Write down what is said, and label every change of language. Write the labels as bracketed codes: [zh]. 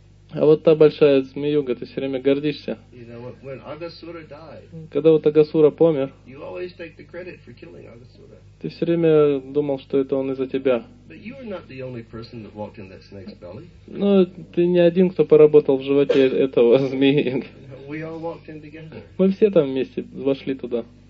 [ru] А вот та большая змеюга, ты все время гордишься. [en] You know, died, [ru] когда вот Агасура помер, [en] you always take the credit for killing Агасура. [ru] Ты все время думал, что это он из-за тебя. [en] But you are not the only person that walked in that snake's belly. [ru] Но ты не один, кто поработал в животе этого змеи. [en] We all walked in together. [ru] Мы все там вместе вошли туда.